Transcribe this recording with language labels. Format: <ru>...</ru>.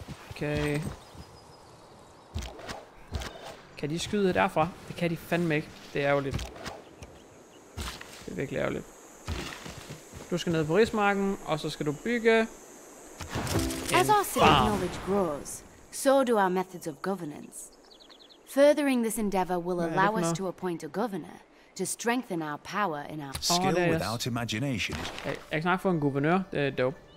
<da>Okay. Kan de skyde derfra? Det kan de fandme ikke. Det er ærgerligt. Det er virkelig ærgerligt. Du skal ned på rismarken, og så skal du bygge en farm.</da> <en>As our knowledge grows, so do our methods of governance. Furthering this endeavor will allow us to appoint a governor to strengthen our power in our skill without imagination.</en> <da>Jeg kan snakke for en guvernør. Det er dope.</da>